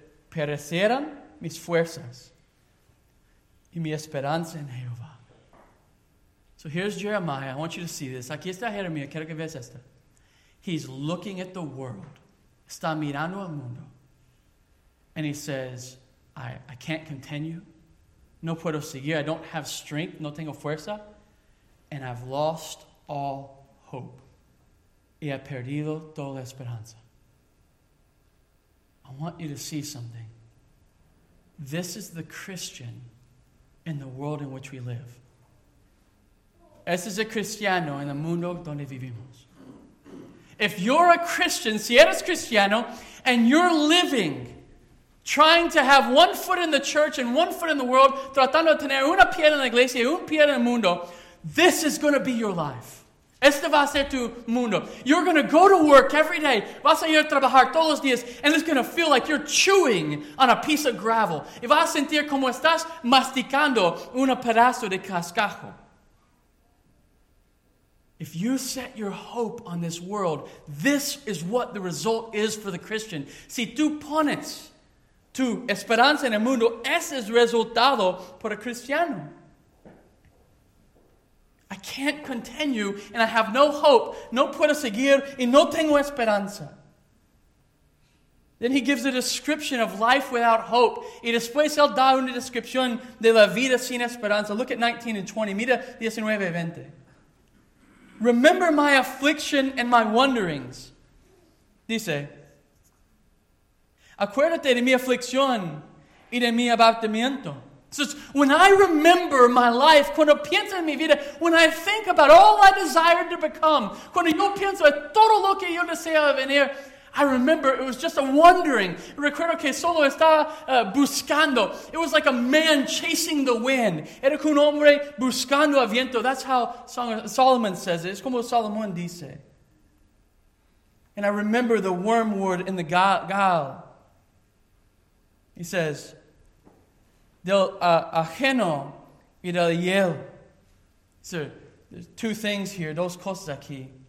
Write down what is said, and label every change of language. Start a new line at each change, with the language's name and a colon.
Spanish: perecieran mis fuerzas y mi esperanza en Jehová.
English: So here's Jeremiah. I want you to see this.
Spanish: Aquí está Jeremiah. Quiero que veas esto.
English: He's looking at the world.
Spanish: Está mirando al mundo.
English: And he says, I can't continue.
Spanish: No puedo seguir.
English: I don't have strength.
Spanish: No tengo fuerza.
English: And I've lost all hope.
Spanish: Y ha perdido toda la esperanza.
English: I want you to see something. This is the Christian in the world in which we live.
Spanish: Este es el cristiano en el mundo donde vivimos.
English: If you're a Christian,
Spanish: si eres cristiano,
English: and you're living, trying to have one foot in the church and one foot in the world,
Spanish: tratando de tener una pierna en la iglesia y un pie en el mundo,
English: this is going to be your life.
Spanish: Este va a ser tu mundo.
English: You're going to go to work every day.
Spanish: Vas a ir a trabajar todos los días.
English: And it's going to feel like you're chewing on a piece of gravel.
Spanish: Y vas a sentir como estás masticando un pedazo de cascajo.
English: If you set your hope on this world, this is what the result is for the Christian.
Spanish: Si tú pones tu esperanza en el mundo, ese es el resultado para el cristiano.
English: I can't continue and I have no hope.
Spanish: No puedo seguir y no tengo esperanza.
English: Then he gives a description of life without hope.
Spanish: Y después él da una descripción de la vida sin esperanza.
English: Look at 19 and 20.
Spanish: Mira 19 y 20.
English: Remember my affliction and my wanderings.
Spanish: Dice, acuérdate de mi aflicción y de mi abatimiento.
English: So when I remember my life,
Spanish: cuando pienso en mi vida,
English: when I think about all I desired to become,
Spanish: cuando yo pienso en todo lo que yo deseaba venir,
English: I remember it was just a wandering.
Spanish: Recuerdo que solo estaba buscando.
English: It was like a man chasing the wind.
Spanish: Era un hombre buscando a viento.
English: That's how Solomon says it.
Spanish: Es como Salomón dice.
English: And I remember the wormwood in the gall. He says,
Spanish: del ajeno y del hiel.
English: So there's two things here,
Spanish: dos cosas aquí.